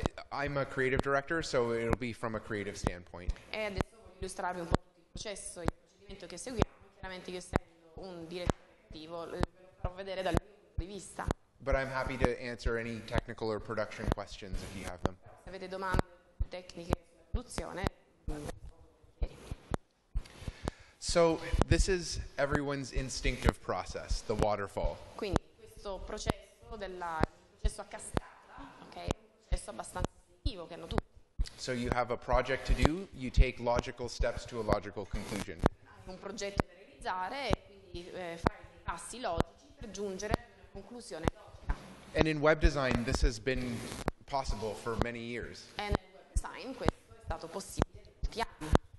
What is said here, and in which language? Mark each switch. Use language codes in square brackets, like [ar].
[en] I'm a creative director, so it'll be from a creative standpoint. [it] E adesso voglio illustrarvi un po' il processo, il procedimento che seguiamo. Chiaramente io essendo un direttore creativo, lo farò vedere dal mio punto di vista. [en] But I'm happy to answer any technical or production questions if you have them. [it] Se avete domande tecniche sulla produzione, [en] so this is everyone's instinctive process, the waterfall. [it] Quindi questo processo della processo a cascata, okay, è abbastanza istintivo che hanno tutti. [en] So you have a project to do, you take logical steps to a logical conclusion. [it] Un progetto da realizzare, quindi fai dei passi logici per giungere a una conclusione logica. [en] And in web design, this has been possible for many years. [it] E nel web design questo è stato possibile per molti anni.